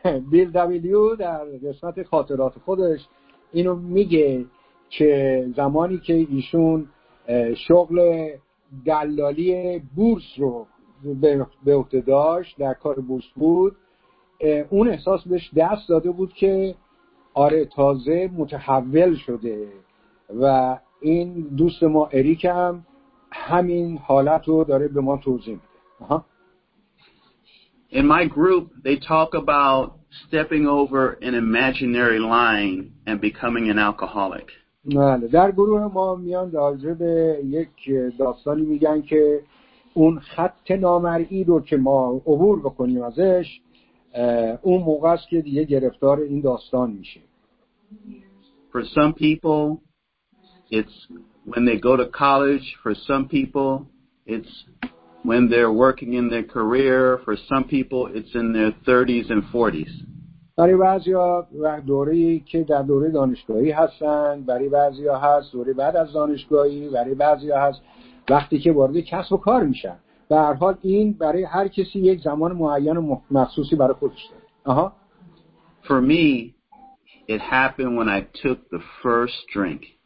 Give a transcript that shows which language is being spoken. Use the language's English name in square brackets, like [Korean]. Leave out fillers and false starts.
[Persian] بیل دبلیو در قسمت خاطرات خودش اینو میگه که زمانی که ایشون شغل دلالی بورس رو به عهده داشت، در کار بورس بود، اون احساس بهش دست داده بود که آره تازه متحول شده و این دوست ما اریک هم همین حالت رو داره به ما توضیح میده. [English] In my group, they talk about stepping over an imaginary line and becoming an alcoholic. [Persian] بله، در گروه ما میان راجع به یک داستانی میگن که اون خط نامرئی رو که ما عبور بکنیم ازش، اون موقع است که دیگه گرفتار این داستان میشه. [English] For some people, it's when they go to college. For some people, it's when they're working in their career. For some people, it's in their 30s and 40s. [Persian] برای بعضیا دوره‌ای که در دوره دانشگاهی هستن، برای بعضیا هست دوره بعد از دانشگاهی، برای بعضیا هست وقتی که وارد کسب و کار میشن. به هر حال این برای هر کسی یک زمان معین و مخصوصی برای خودش داره. [English] For me, it happened when I took the first drink.